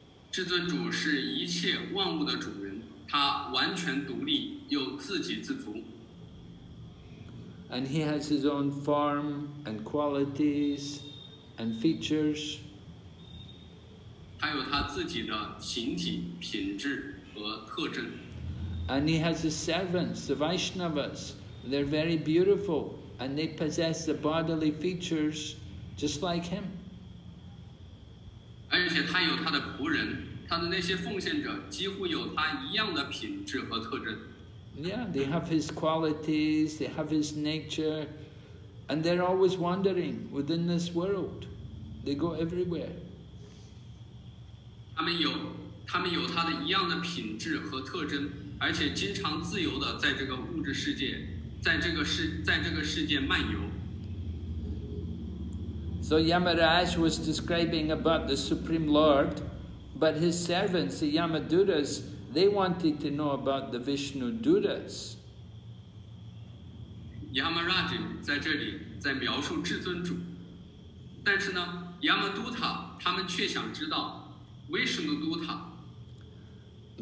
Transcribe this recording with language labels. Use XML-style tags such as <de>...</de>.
<zh>至尊主是一切万物的主人，他完全独立又自给自足。</zh> <en>And he has his own form and qualities and features.</en> <zh>他有他自己的形体、品质和特征。</zh> <en>And he has his servants, the Vaishnavas. They're very beautiful and they possess the bodily features just like him.</en> <zh>而且他有他的仆人。他的那些奉献者几乎有他一样的品质和特征。</zh> <en>Yeah, they have his qualities, they have his nature, and they're always wandering within this world. They go everywhere.</en> <zh>他们有他的一样的品质和特征，而且经常自由地在这个物质世界，在这个世界漫游。</zh> <en>So Yamaraj was describing about the Supreme Lord. But his servants, the Yamadutas, they wanted to know about the Vishnu Dutas.</en> <zh>Yamaraj 在这里在描述至尊主，但是呢 Yamaduta 他们却想知道为什么 Duta。</zh>